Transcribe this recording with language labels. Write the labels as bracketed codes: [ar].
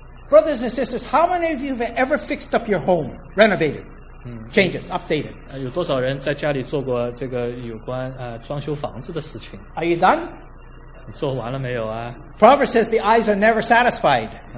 [en] Brothers and sisters, how many of you have ever fixed up your home, renovated, changes, updated? [zh] 有多少人在家里做过这个有关装修房子的事情 [en] ？Are you done? [zh] 做完了没有啊 [en] ？Proverbs says the eyes are never satisfied.